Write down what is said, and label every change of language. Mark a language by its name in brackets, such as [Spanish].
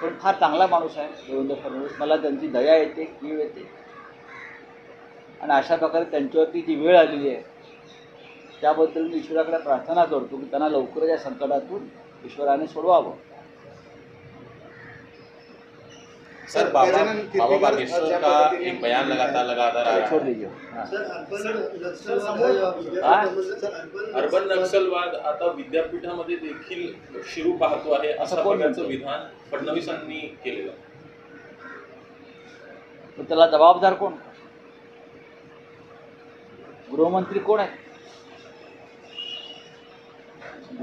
[Marathi] पण फार चांगला माणूस आहे देवेंद्र फडणवीस, मला त्यांची दया येते, कीव येते आणि अशा प्रकारे त्यांच्यावरती जी वेळ आलेली आहे त्याबद्दल मी ईश्वराकडे प्रार्थना करतो की त्यांना लवकर या संकटातून ईश्वराने सोडवावं. सर [Hindi] बाबा बागेश्वर का एक बयान लगातार लगातार आ रहा है। [Marathi] अर्बन नक्षलवाद आता विद्यापीठामध्ये देखील शिरू पाहतो आहे असं प्रकारचं विधान फडणवीसांनी केलेलं, त्याला जबाबदार कोण? गृहमंत्री कोण आहे?